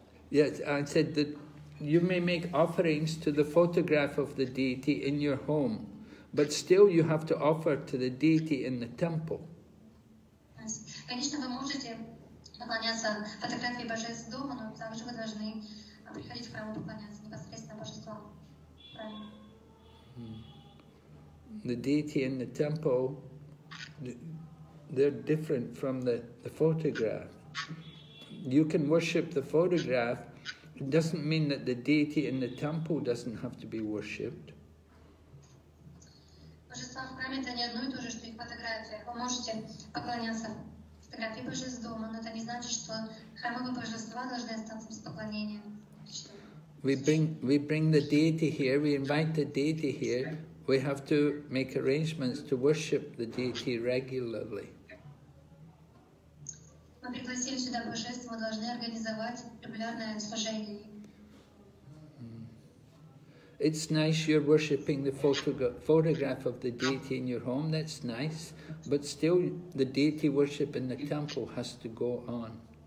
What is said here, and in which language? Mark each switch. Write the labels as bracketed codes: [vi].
[en] Yes, I said that you may make offerings to the photograph of the deity in your home, but still you have to offer to the deity in the temple. [ru] Конечно, вы можете поклоняться фотографии божества дома, но также вы должны приходить в храм и поклоняться непосредственно божеству. Правильно. [en] The deity in the temple, they're different from the photograph. You can worship the photograph, it doesn't mean that the deity in the temple doesn't have to be worshipped. [ru] Божествам в храме это не одно и то же, что их фотография. Вы можете поклоняться фотографии божеств, но это не значит, что храмовые божества должны остаться без поклонения. [en] We bring the deity here, we invite the deity here. We have to make arrangements to worship the deity regularly. [ru] Мы пригласили сюда божество, мы должны организовать регулярное служение. [en] It's nice you're worshipping the photograph of the deity in your home, that's nice, but still the deity worship in the temple has to go on.